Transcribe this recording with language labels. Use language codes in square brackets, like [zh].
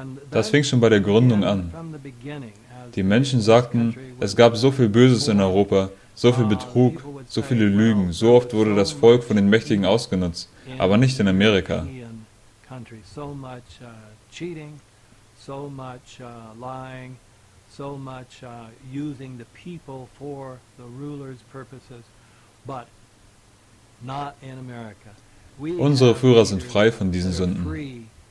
[de] Das fing schon bei der Gründung an. Die Menschen sagten, es gab so viel Böses in Europa, so viel Betrug, so viele Lügen, so oft wurde das Volk von den Mächtigen ausgenutzt, aber nicht in Amerika. [en] So much cheating, so much lying, so much using the people for the rulers' purposes, but not in America. [de] Unsere Führer sind frei von diesen Sünden.